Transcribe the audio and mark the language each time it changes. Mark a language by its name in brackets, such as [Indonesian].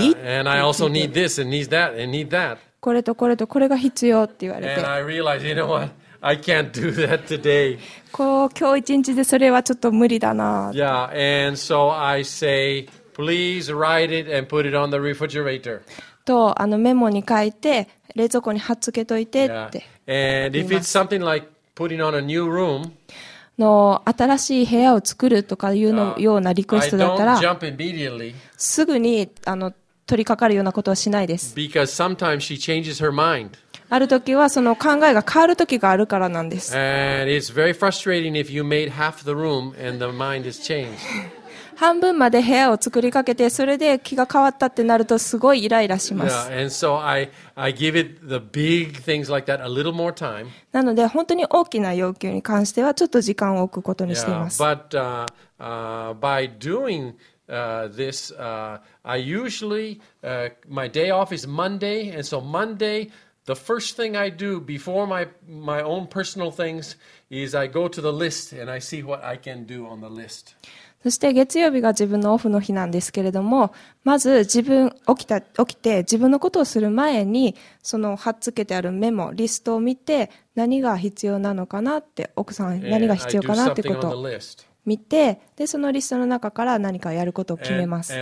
[English] Yeah, and I also need this and need that and need that. [Japanese] これとこれとこれが必要って言われて。 [English] And I realized, you know what? I can't do that today. [Japanese] こう、今日一日でそれはちょっと無理だな。 [English] Yeah, and so I say, please write it and put it on the refrigerator. [Japanese] とメモに書いて、冷蔵庫に貼っつけといてって。 [English] And if it's something like putting on a new room, [Japanese] の新しい部屋を作るとかいうのようなリクエストだったらすぐに取り掛かるようなことはしないです。 [English] Because sometimes she changes her mind. [Japanese] ある時はその考えが変わる時があるからなんです。 [English] And it's very frustrating if you made half the room and the mind is changed. [Japanese] 半分まで部屋を作りかけてそれで気が変わったってなるとすごいイライラします。 [English] Yeah, and so I give it the big things like that a little more time. [Japanese] なので本当に大きな要求に関してはちょっと時間を置くことにしています。 [English] Yeah, but by doing this, I usually my day off is Monday, and so Monday the first thing I do before my own personal things is I go to the list and I see what I can do on the list. [Japanese] そして月曜日が自分のオフの日なんですけれども、まず自分起きて自分のことをする前にその貼っつけてあるメモリストを見て何が必要なのかなって奥さん何が必要かなってことを見てでそのリストの中から何かやることを決めます。